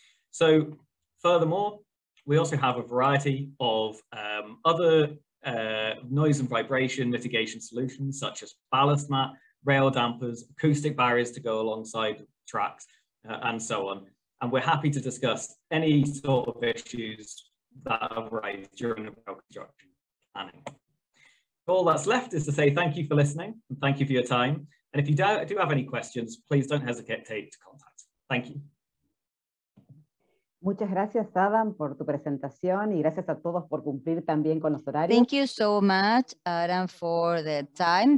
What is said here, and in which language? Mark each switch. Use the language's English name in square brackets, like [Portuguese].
[English] So furthermore, we also have a variety of other noise and vibration mitigation solutions such as ballast mat, rail dampers, acoustic barriers to go alongside tracks, and so on. and we're happy to discuss any sort of issues that arise during the construction planning. All that's left is to say thank you for listening and thank you for your time. And if you do have any questions, please don't hesitate to contact. Thank you. [Spanish] Muchas gracias, Adam, por tu presentación y gracias a todos por cumplir también con los horarios. [English] Thank you so much, Adam, for the time.